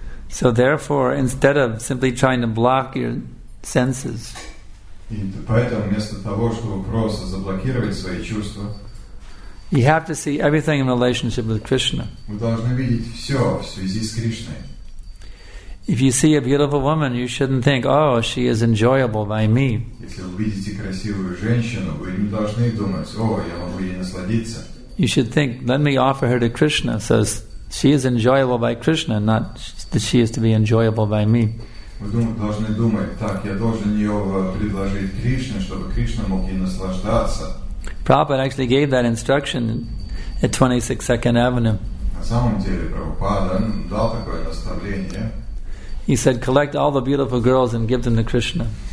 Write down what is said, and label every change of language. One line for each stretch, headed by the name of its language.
English: So therefore, instead of simply trying to block your senses,
Russian: и поэтому вместо того, чтобы просто заблокировать свои чувства,
English: you have to see everything in relationship with Krishna.
Russian: Вы должны видеть все в связи с Кришной.
English: If you see a beautiful woman, you shouldn't think, oh, she is enjoyable by me.
Russian: Если вы видите красивую женщину, вы не должны думать, о, я могу ей насладиться.
English: You should think, let me offer her to Krishna, so she is enjoyable by Krishna, not that she is to be enjoyable by me.
Russian: Вы должны думать, так, я должен ее предложить Кришне, чтобы Кришна мог ей наслаждаться.
English: Prabhupada actually gave that instruction at 26 Second Avenue.
Russian: На самом деле, Прабхупада дал такое наставление.
English: He said, collect all the beautiful girls and give them to Krishna.